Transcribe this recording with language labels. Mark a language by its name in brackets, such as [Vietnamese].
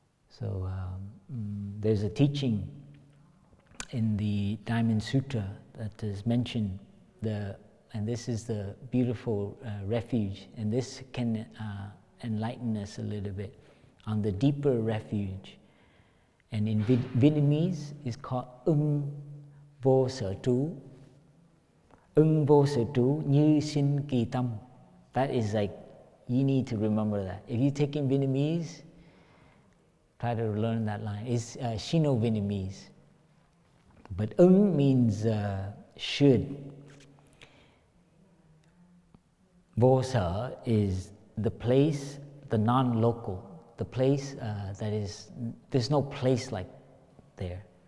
[English] So there's a teaching in the Diamond Sutra that is mentioned, and this is the beautiful refuge, and this can enlighten us a little bit on the deeper refuge. And in Vietnamese, it's called [Vietnamese] Ưng Vô Sở Trú. Ưng Vô Sở Trú Như Sinh Kỳ Tâm. [English] That is like, you need to remember that. If you're taking Vietnamese, try to learn that line. It's Sino-Vietnamese. But Ưng means should. Vô Sở is the place, the non-local, the place that is, there's no place like there.